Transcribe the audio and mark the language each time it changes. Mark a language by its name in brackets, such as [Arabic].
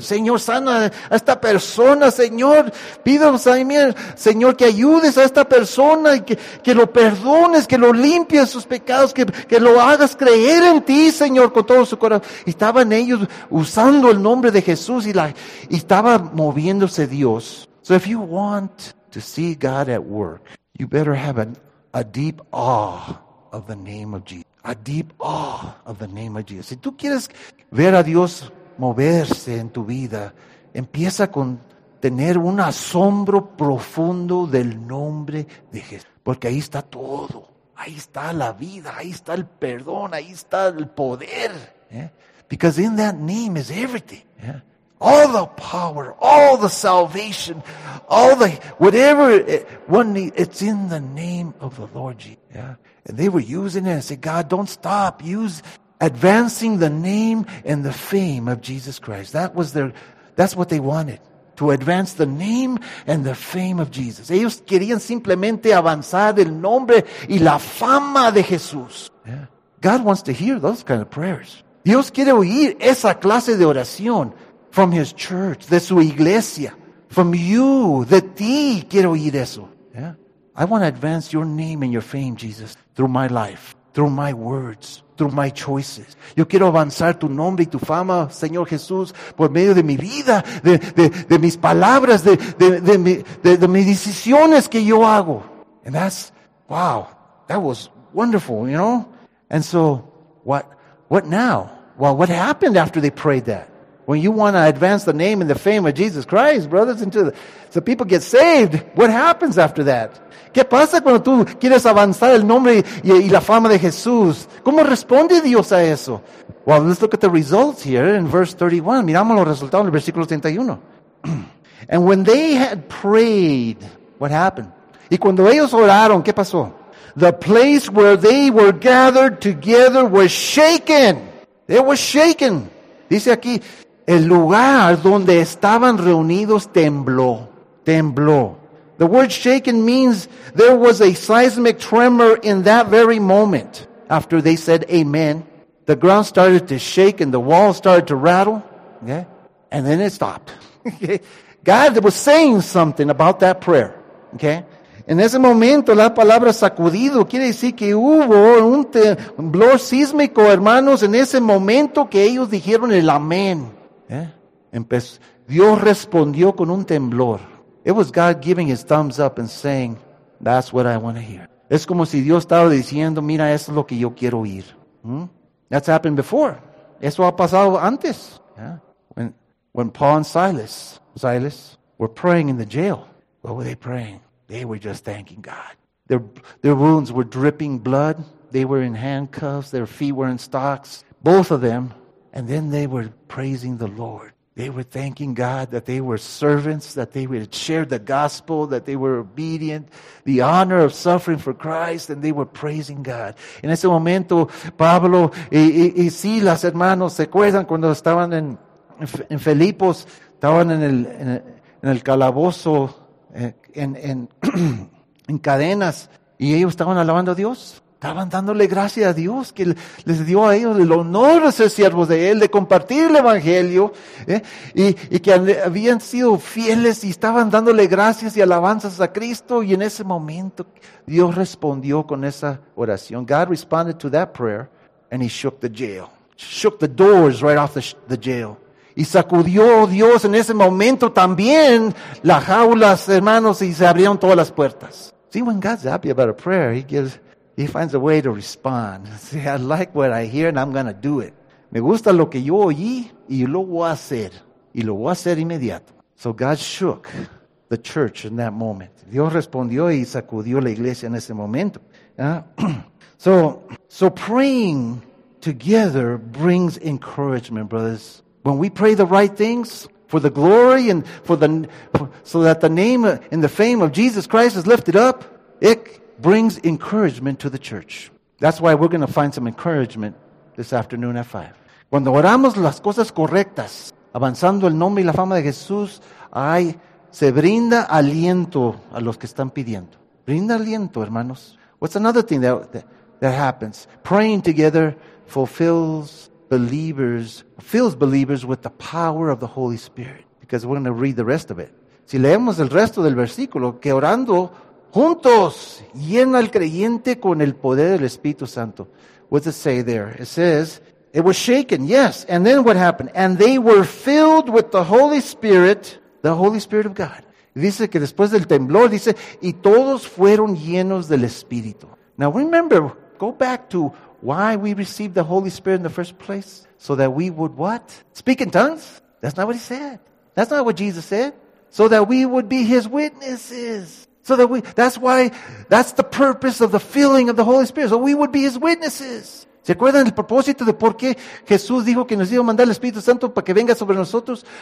[Spanish] Señor, sana a esta persona, Señor. Pido, Señor, que ayudes a esta persona y que lo perdones, que lo limpies sus pecados, que lo hagas creer en ti, Señor, con todo su corazón. Y estaban ellos usando el nombre de Jesús y estaba moviéndose Dios. [English] So if you want to see God at work, you better have a deep awe of the name of Jesus. A deep awe of the name of Jesus. [Spanish] Si tú quieres ver a Dios moverse en tu vida, empieza con tener un asombro profundo del nombre de Jesús. Porque ahí está todo. Ahí está la vida. Ahí está el perdón. Ahí está el poder. [English] Yeah? Because in that name is everything. Yeah? All the power, all the salvation, all the whatever one needs, it's in the name of the Lord Jesus. Yeah? And they were using it and said, God, don't stop. Use advancing the name and the fame of Jesus Christ. That's what they wanted. To advance the name and the fame of Jesus. [Spanish] Ellos querían simplemente avanzar el nombre y la fama de Jesús. [English] Yeah. God wants to hear those kind of prayers. [Spanish] Dios quiere oír esa clase de oración [English] from His church, [Spanish] de su iglesia, [English] from you, [Spanish] de ti, quiero oír eso. Yeah. [English] I want to advance your name and your fame, Jesus, through my life, through my words, through my choices. [Spanish] Yo quiero avanzar tu nombre y tu fama, Señor Jesús, por medio de mi vida, de mis palabras, de mis decisiones que yo hago. [English] And that's, wow, that was wonderful, you know? And so, what now? Well, what happened after they prayed that? When you want to advance the name and the fame of Jesus Christ, brothers, into the so people get saved, what happens after that? [Spanish] ¿Qué pasa cuando tú quieres avanzar el nombre y la fama de Jesús? ¿Cómo responde Dios a eso? [English] Well, let's look at the results here in verse 31. [Spanish] Miramos los resultados en el versículo 31. [English] And when they had prayed, what happened? [Spanish] Y cuando ellos oraron, ¿qué pasó? [English] The place where they were gathered together was shaken. It was shaken. [Spanish] Dice aquí, el lugar donde estaban reunidos tembló. Tembló. [English] The word shaken means there was a seismic tremor in that very moment. After they said amen, the ground started to shake and the walls started to rattle. Okay? And then it stopped. God was saying something about that prayer. Okay? [Spanish] En ese momento, la palabra sacudido quiere decir que hubo un temblor sísmico, hermanos, en ese momento que ellos dijeron el amén. Yeah. Dios respondió con un temblor. [English] It was God giving his thumbs up and saying, that's what I want to hear. [Spanish] Es como si Dios estaba diciendo, mira, eso es lo que yo quiero oír. [English] Hmm? That's happened before. [Spanish] Eso ha pasado antes. [English] Yeah. When Paul and Silas were praying in the jail, what were they praying? They were just thanking God. Their wounds were dripping blood. They were in handcuffs. Their feet were in stocks. Both of them And then they were praising the Lord. They were thanking God that they were servants, that they had shared the gospel, that they were obedient, the honor of suffering for Christ, and they were praising God. [Spanish] En ese momento, Pablo y Silas, hermanos, ¿se acuerdan cuando estaban en Filipos? Estaban en el calabozo, en cadenas, y ellos estaban alabando a Dios. Estaban dándole gracias a Dios que les dio a ellos el honor de ser siervos de Él, de compartir el Evangelio, y que habían sido fieles y estaban dándole gracias y alabanzas a Cristo. Y en ese momento, Dios respondió con esa oración. [English] God responded to that prayer and He shook the jail. Shook the doors right off the jail. [Spanish] Y sacudió Dios en ese momento también las jaulas, hermanos, y se abrieron todas las puertas. [English] See, when God's happy about a prayer, He finds a way to respond. See, I like what I hear and I'm going to do it. [Spanish] Me gusta lo que yo oí y lo voy a hacer. Y lo voy a hacer inmediato. [English] So God shook the church in that moment. [Spanish] Dios respondió y sacudió la iglesia en ese momento. [English] So praying together brings encouragement, brothers. When we pray the right things for the glory and so that the name and the fame of Jesus Christ is lifted up, it brings encouragement to the church. That's why we're going to find some encouragement this afternoon at 5. [Spanish] Cuando oramos las cosas correctas, avanzando el nombre y la fama de Jesús, se brinda aliento a los que están pidiendo. Brinda aliento, hermanos. [English] What's another thing that happens? Praying together fills believers with the power of the Holy Spirit. Because we're going to read the rest of it. [Spanish] Si leemos el resto del versículo, que orando juntos, llena al creyente con el poder del Espíritu Santo. [English] What does it say there? It says, it was shaken, yes. And then what happened? And they were filled with the Holy Spirit of God. [Spanish] Dice que después del temblor, dice, y todos fueron llenos del Espíritu. [English] Now remember, go back to why we received the Holy Spirit in the first place. So that we would what? Speak in tongues? That's not what he said. That's not what Jesus said. So that we would be his witnesses. So that that's the purpose of the filling of the Holy Spirit. So we would be his witnesses. [Spanish] ¿Se acuerdan el propósito de por qué Jesús dijo que nos iba a mandar el Espíritu Santo para que venga sobre nosotros?